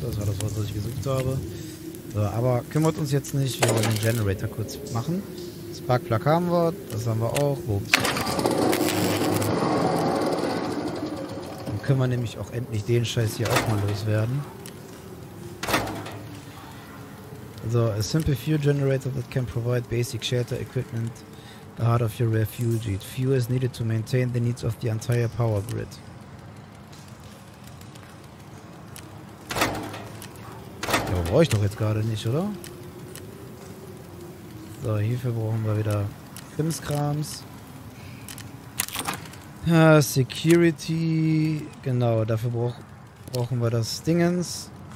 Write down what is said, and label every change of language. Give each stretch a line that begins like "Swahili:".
German: Das war das Wort, was ich gesucht habe. So, aber kümmert uns jetzt nicht, wir wollen den Generator kurz machen. Sparkplug haben wir, das haben wir auch. Ups. Dann können wir nämlich auch endlich den Scheiß hier auch mal loswerden.
English: So, a simple fuel generator that can provide basic shelter equipment, the heart of your refugee. Fuel is needed to maintain the needs of the entire power grid.
German: Brauche ich doch jetzt gerade nicht, oder? So, hierfür brauchen wir wieder Krimskrams. Ja, Security. Genau, dafür brauchen wir das Dingens.